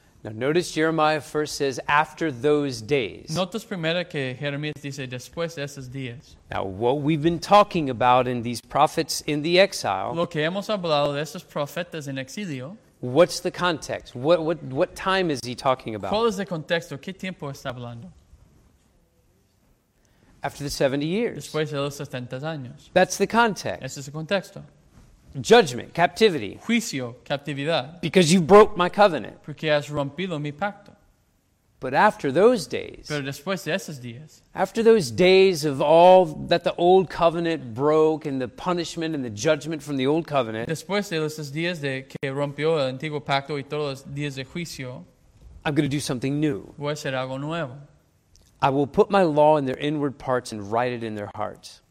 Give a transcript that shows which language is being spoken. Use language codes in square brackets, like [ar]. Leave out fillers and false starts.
[en] Now notice Jeremiah first says, after those days. [es] Notas primero que Jeremías dice, después de esos días. [en] Now what we've been talking about in these prophets in the exile. [es] Lo que hemos hablado de esos profetas en exilio. [en] What's the context? What time is he talking about? [es] ¿Cuál es el contexto? ¿Qué tiempo está hablando? [en] After the 70 years. [es] Después de los 70 años. [en] That's the context. [es] Ese es el contexto. [en] Judgment, captivity. [es] Juicio, captividad. [en] Because you broke my covenant. [es] Porque has rompido mi pacto. [en] But after those days. [es] Pero después de esos días. [en] After those days of all that the old covenant broke and the punishment and the judgment from the old covenant. [es] Después de esos días de que rompió el antiguo pacto y todos los días de juicio. [en] I'm going to do something new. [es] Voy a hacer algo nuevo. [en] I will put my law in their inward parts and write it in their hearts.